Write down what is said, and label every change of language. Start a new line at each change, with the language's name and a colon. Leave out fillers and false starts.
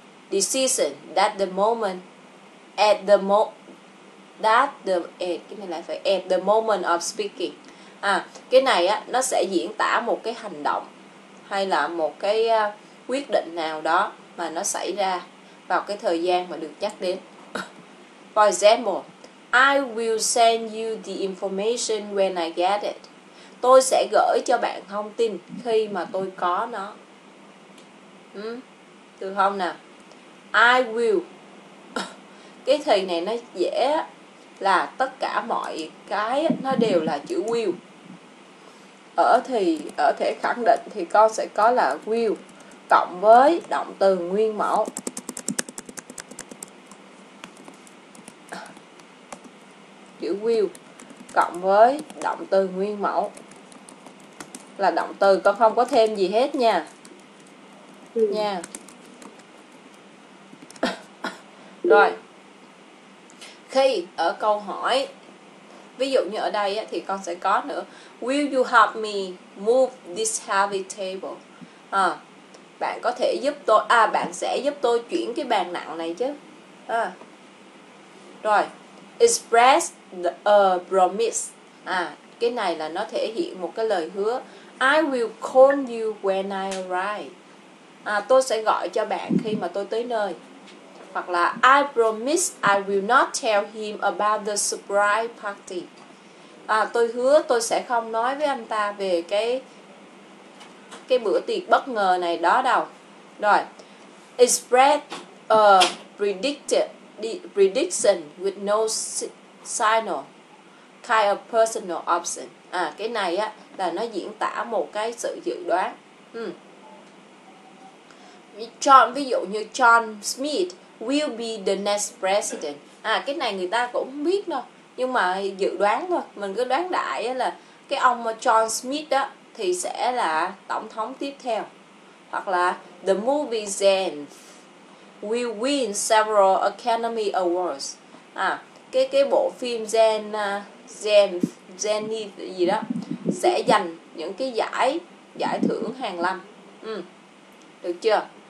English: Decision that the moment at the mo that the at,
Vietnamese: cái này lại phải
English: at the moment of speaking.
Vietnamese: À, cái này á nó sẽ diễn tả một cái hành động hay là một cái quyết định nào đó mà nó xảy ra vào cái thời gian mà được nhắc đến.
English: For example, I will send you the information when I get it.
Vietnamese: Tôi sẽ gửi cho bạn thông tin khi mà tôi có nó. Được không nào?
English: I will.
Vietnamese: Cái thì này nó dễ là tất cả mọi cái nó đều là chữ will. Ở thể khẳng định thì con sẽ có là will cộng với động từ nguyên mẫu. Chữ will cộng với động từ nguyên mẫu là động từ, con không có thêm gì hết nha. Nha. Rồi. Khi ở câu hỏi, ví dụ như ở đây á, thì con sẽ có nữa.
English: Will you help me move this heavy table?
Vietnamese: À, bạn có thể giúp tôi, à bạn sẽ giúp tôi chuyển cái bàn nặng này chứ.
English: À, rồi, express a promise.
Vietnamese: À, cái này là nó thể hiện một cái lời hứa.
English: I will call you when I arrive.
Vietnamese: À, tôi sẽ gọi cho bạn khi mà tôi tới nơi. Hoặc là
English: I promise I will not tell him about the surprise party.
Vietnamese: À, tôi hứa tôi sẽ không nói với anh ta về cái bữa tiệc bất ngờ này đó đâu. Rồi.
English: Express a prediction with no signal. kind of personal option.
Vietnamese: À, cái này á là nó diễn tả một cái sự dự đoán.
English: John,
Vietnamese: ví dụ như
English: John Smith will be the next president.
Vietnamese: À, cái này người ta cũng không biết đâu, nhưng mà dự đoán thôi. Mình cứ đoán đại á, là cái ông John Smith đó thì sẽ là tổng thống tiếp theo. Hoặc là
English: the movie Zen will win several Academy Awards.
Vietnamese: À, cái bộ phim Zen gì đó sẽ giành những cái giải thưởng hàng năm. Ừ. Được chưa?